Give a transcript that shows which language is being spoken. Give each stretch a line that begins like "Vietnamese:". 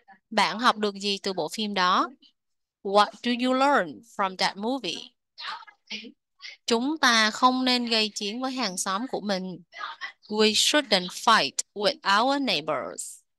Vietnamese: Bạn học được gì từ bộ phim đó?
English: What do you learn from that movie?
Vietnamese: Chúng ta không nên gây chiến với hàng xóm của mình.
English: We shouldn't fight with our neighbors.